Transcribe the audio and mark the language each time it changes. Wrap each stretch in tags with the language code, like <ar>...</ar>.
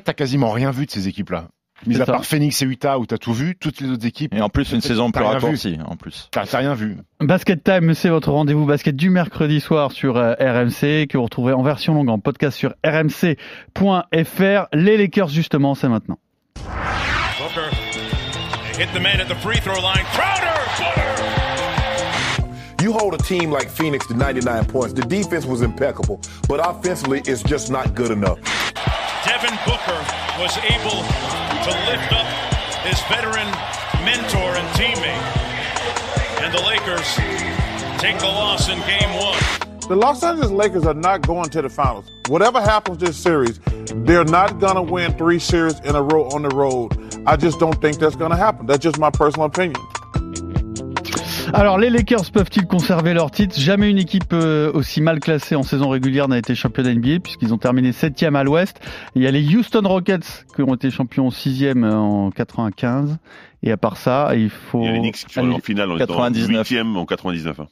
<fr>t'as quasiment rien vu de ces équipes-là. Mis à part Phoenix et Utah où t'as tout vu, toutes les autres équipes. Et en plus, une saison plus raccourcie, en plus. T'as rien vu. Basket Time, c'est votre rendez-vous basket du mercredi soir sur RMC, que vous retrouvez en version longue en podcast sur rmc.fr. Les Lakers, justement, c'est maintenant. Booker.</fr> <en>Hit the man at the free throw line. Crowder! You hold a team like Phoenix to 99 points. The defense was impeccable, but offensively, it's just not good enough. Devin Booker was able to lift up his veteran mentor and teammate. And the Lakers take the loss in game one. The Los Angeles Lakers are not going to the finals. Whatever happens this series, they're not going to win three series in a row on the road. I just don't think that's going to happen. That's just my personal opinion.</en> <fr>Alors, les Lakers peuvent-ils conserver leur titre? Jamais une équipe aussi mal classée en saison régulière n'a été championne NBA puisqu'ils ont terminé 7e à l'Ouest. Il y a les Houston Rockets qui ont été champions 6e en 95. Et à part ça, il faut... Il y a les Knicks qui sont allés en finale en 8e en 99.</fr>